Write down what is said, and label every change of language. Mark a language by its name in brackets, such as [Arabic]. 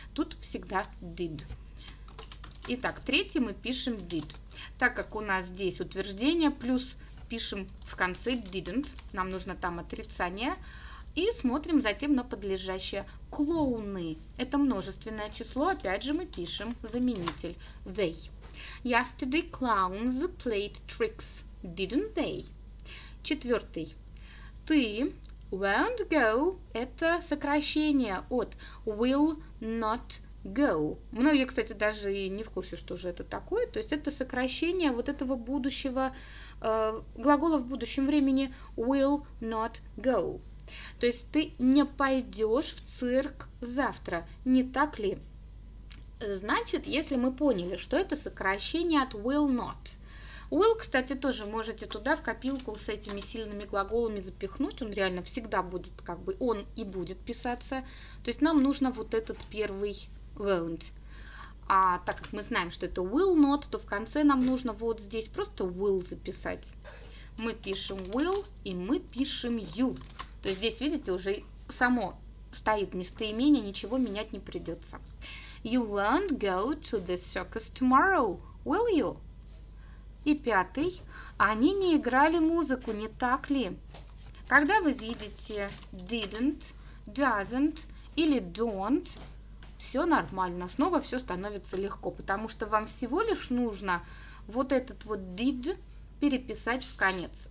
[Russian] Тут всегда did. Итак, третий мы пишем did. Так как у нас здесь утверждение, плюс пишем в конце didn't. Нам нужно там отрицание. И смотрим затем на подлежащее. Клоуны. Это множественное число. Опять же мы пишем заменитель they. [English] Yesterday clowns played tricks, didn't they? [Russian] Четвертый. [English] Ты, won't go, [Russian] это сокращение от [English] will not go. [Russian] Многие, кстати, даже и не в курсе, что же это такое. То есть это сокращение вот этого будущего, глагола в будущем времени [English] will not go. [Russian] То есть ты не пойдешь в цирк завтра, не так ли? Значит, если мы поняли, что это сокращение от [English] will not. [Russian] Will, кстати, тоже можете туда в копилку с этими сильными глаголами запихнуть. Он реально всегда будет, как бы, он и будет писаться. То есть нам нужно вот этот первый won't. А так как мы знаем, что это [English] will not, [Russian] то в конце нам нужно вот здесь просто will записать. Мы пишем will и мы пишем you. То есть здесь, видите, уже само стоит местоимение, ничего менять не придется. [English] You won't go to the circus tomorrow, will you? [Russian] И пятый. Они не играли музыку, не так ли? Когда вы видите didn't, doesn't или don't, все нормально. Снова все становится легко, потому что вам всего лишь нужно вот этот вот did переписать в конец.